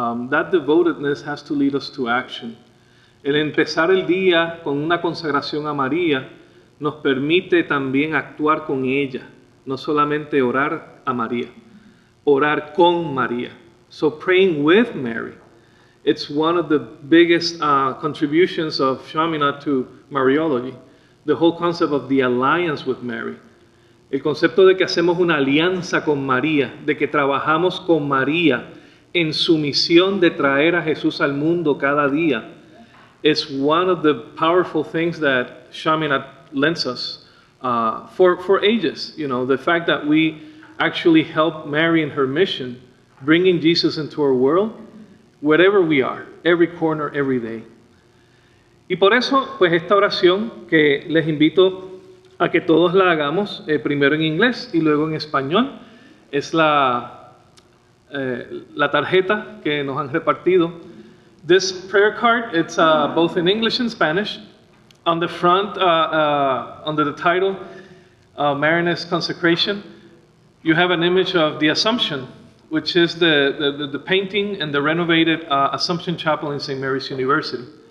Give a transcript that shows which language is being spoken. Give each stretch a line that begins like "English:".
English: That devotedness has to lead us to action.
Spanish: El empezar el día con una consagración a María nos permite también actuar con ella, no solamente orar a María, orar con María.
English: So praying with Mary. It's one of the biggest contributions of Chaminade to Mariology, the whole concept of the alliance with Mary.
Spanish: El concepto de que hacemos una alianza con María, de que trabajamos con María en su misión de traer a Jesús al mundo cada día,
English: is one of the powerful things that Chaminade lends us for ages. You know, the fact that we actually help Mary in her mission, bringing Jesus into our world, wherever we are, every corner, every day.
Spanish: Y por eso, pues esta oración que les invito a que todos la hagamos, primero en inglés y luego en español, es la tarjeta que nos han repartido.
English: This prayer card, it's both in English and Spanish. On the front, under the title, Marianist Consecration, you have an image of the Assumption, which is the painting and the renovated Assumption Chapel in St. Mary's University.